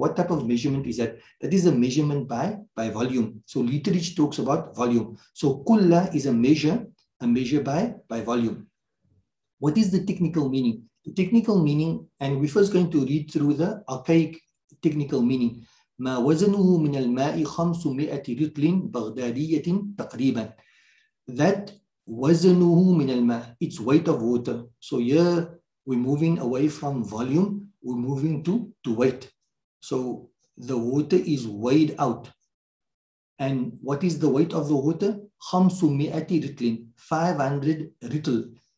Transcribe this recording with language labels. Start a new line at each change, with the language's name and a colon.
English: What type of measurement is that? That is a measurement by volume. So literage talks about volume. So كلا is a measure by volume. What is the technical meaning? The technical meaning, and we're first going to read through the archaic technical meaning.
Arabic: ما وزنه من الماء 500 رطل بغدادية تقريبا.
English: That
Arabic: وزنه من الماء,
English: its weight of water. So here we're moving away from volume, we're moving to weight. So the water is weighed out. And what is the weight of the water? 500 رطل, 500 رطل.